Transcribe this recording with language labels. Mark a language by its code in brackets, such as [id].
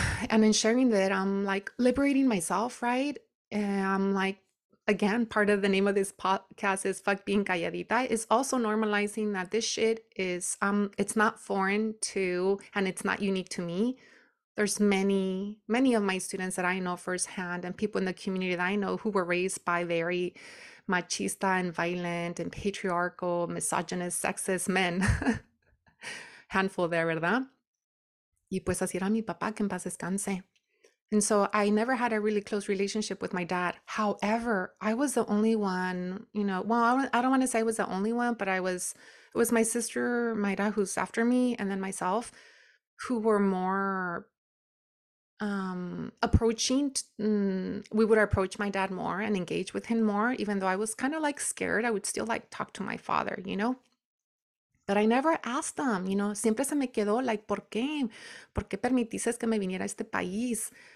[en] And in sharing that, I'm like liberating myself, right? And I'm like, again, part of the name of this podcast is Fuck Being Calladita, is also normalizing that this shit is, it's not foreign to, and it's not unique to me. There's many, many of my students that I know firsthand and people in the community that I know who were raised by very machista and violent and patriarchal, misogynist, sexist men. Handful there, ¿verdad? [es] Y pues así era mi papá, que en paz descanse. [en] And so I never had a really close relationship with my dad. However, I was the only one, you know, well, I don't want to say I was the only one, but it was my sister, my dad, who's after me, and then myself, who were more approaching. We would approach my dad more and engage with him more, even though I was kind of like scared. I would still like talk to my father, you know. But I never asked them, you know, [es] siempre se me quedó like, ¿por qué? ¿Por qué permitiste que me viniera a este país?